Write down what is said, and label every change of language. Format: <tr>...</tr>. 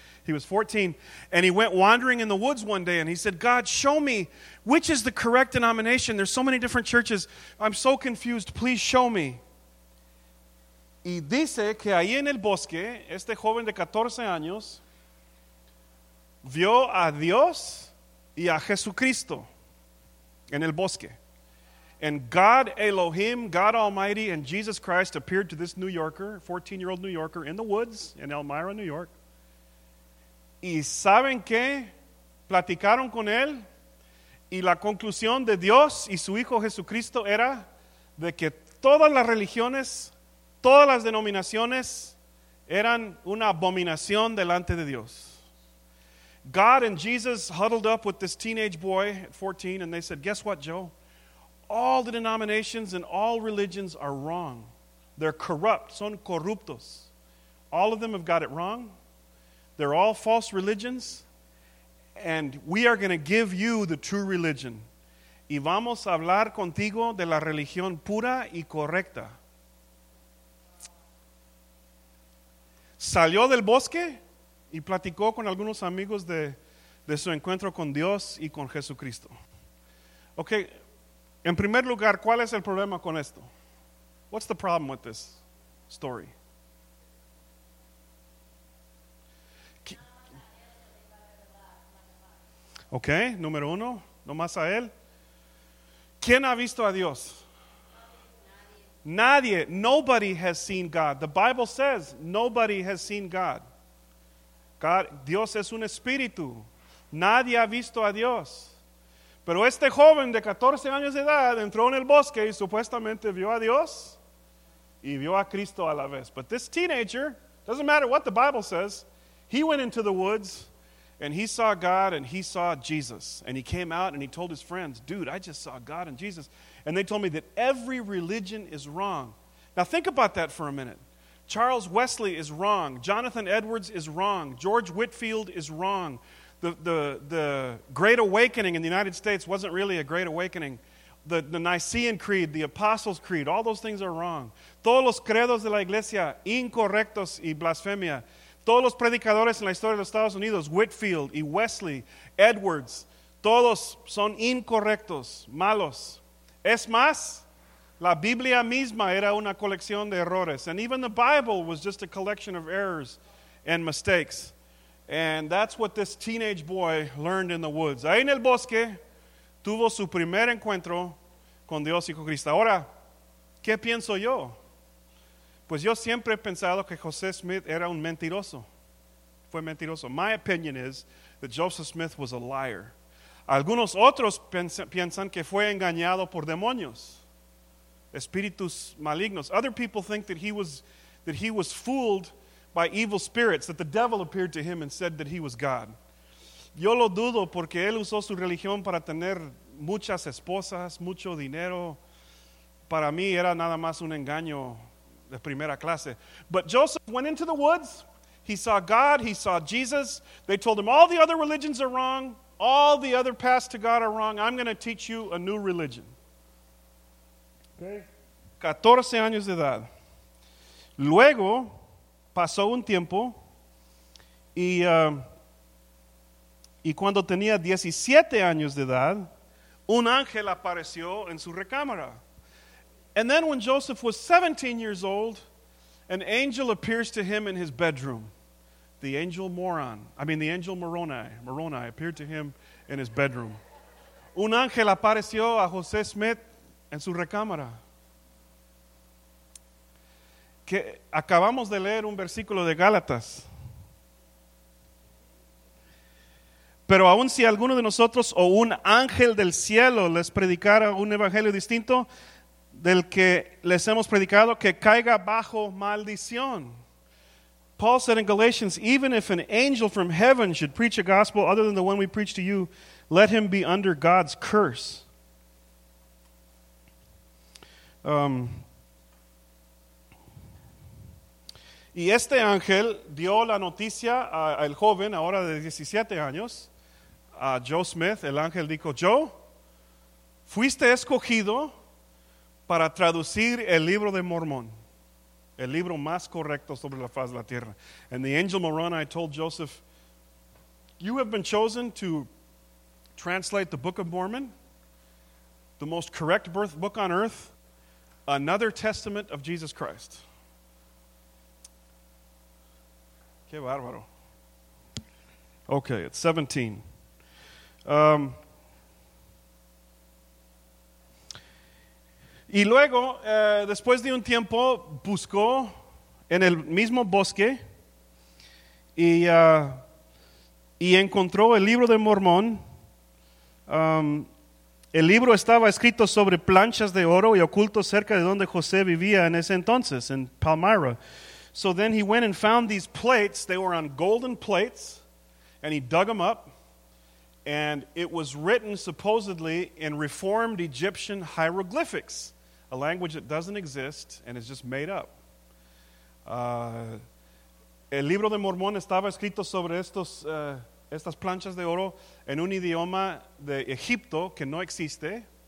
<en>He was 14, and he went wandering in the woods one day, and he said, God, show me which is the correct denomination. There's so many different churches. I'm so confused. Please show me.</en> <es>Y dice que ahí en el bosque, este joven de 14 años vio a Dios y a Jesucristo en el bosque.</es> <en>And God Elohim, God Almighty, and Jesus Christ appeared to this New Yorker, 14-year-old New Yorker, in the woods in Elmira, New York.</en> <es>Y saben qué, platicaron con él, y la conclusión de Dios y su Hijo Jesucristo era de que todas las religiones, todas las denominaciones, eran una abominación delante de Dios.</es> <en>God and Jesus huddled up with this teenage boy at 14, and they said, guess what, Joe? All the denominations and all religions are wrong. They're corrupt.</en> <es>Son corruptos.</es> <en>All of them have got it wrong. They're all false religions. And we are going to give you the true religion.</en> <es>Y vamos a hablar contigo de la religión pura y correcta. Salió del bosque y platicó con algunos amigos de su encuentro con Dios y con Jesucristo. Okay, en primer lugar, ¿cuál es el problema con esto?</es> <en>What's the problem with this story?</en> <es>Okay, número uno, no más a él. ¿Quién ha visto a Dios? Nadie.</es> <en>Nobody has seen God. The Bible says nobody has seen God.</en> <es>God, Dios es un espíritu. Nadie ha visto a Dios. Pero este joven de 14 años de edad entró en el bosque y supuestamente vio a Dios y vio a Cristo a la vez.</es> <en>But this teenager, doesn't matter what the Bible says, he went into the woods and he saw God and he saw Jesus. And he came out and he told his friends, dude, I just saw God and Jesus. And they told me that every religion is wrong. Now think about that for a minute. Charles Wesley is wrong. Jonathan Edwards is wrong. George Whitefield is wrong. The Great Awakening in the United States wasn't really a Great Awakening. The Nicene Creed, the Apostles' Creed, all those things are wrong.</en> <es>Todos los credos de la iglesia, incorrectos y blasfemia. Todos los predicadores en la historia de los Estados Unidos, Whitefield y Wesley, Edwards, todos son incorrectos, malos. Es más, la Biblia misma era una colección de errores.</es> <en>And even the Bible was just a collection of errors and mistakes. And that's what this teenage boy learned in the woods.</en> <es>Ahí en el bosque, tuvo su primer encuentro con Dios y con Cristo. Ahora, ¿qué pienso yo? Pues yo siempre he pensado que José Smith era un mentiroso. Fue mentiroso.</es> <en>My opinion is that Joseph Smith was a liar.</en> <es>Algunos otros piensan que fue engañado por demonios, espíritus malignos.</es> <en>Other people think that he was fooled by evil spirits, that the devil appeared to him and said that he was God.</en> <es>Yo lo dudo porque él usó su religión para tener muchas esposas, mucho dinero. Para mí era nada más un engaño de primera clase.</es> <en>But Joseph went into the woods. He saw God. He saw Jesus. They told him all the other religions are wrong. All the other paths to God are wrong. I'm going to teach you a new religion.</en> <es>Okay. 14 años de edad. Luego pasó un tiempo y cuando tenía 17 años de edad, Un ángel apareció en su recámara.</es> <en>And then when Joseph was 17 years old, an angel appears to him in his bedroom. The angel Moroni appeared to him in his bedroom.</en> <es>Un ángel apareció a José Smith en su recámara. Que acabamos de leer un versículo de Gálatas. Pero aun si alguno de nosotros o un ángel del cielo les predicara un evangelio distinto del que les hemos predicado, que caiga bajo maldición.</es> <en>Paul said in Galatians, even if an angel from heaven should preach a gospel other than the one we preach to you, let him be under God's curse.</en> <es>Y este ángel dio la noticia al joven, ahora de 17 años, a Joe Smith. El ángel dijo, Joe, fuiste escogido para traducir el libro de Mormón, el libro más correcto sobre la faz de la tierra.</es> <en>And the angel Moroni told Joseph, you have been chosen to translate the Book of Mormon, the most correct book on earth, another testament of Jesus Christ.</en> <es>Qué bárbaro.</es> <en>Okay, it's 17.</en> <es>Y luego, después de un tiempo, buscó en el mismo bosque y encontró el libro de Mormón. El libro estaba escrito sobre planchas de oro y oculto cerca de donde José vivía en ese entonces, en Palmyra.</es> <en>So then he went and found these plates. They were on golden plates, and he dug them up. And it was written, supposedly, in Reformed Egyptian hieroglyphics. A language that doesn't exist and is just made up.</en> <es>El libro de Mormón estaba escrito sobre estas planchas de oro en un idioma de Egipto que no existe.</es>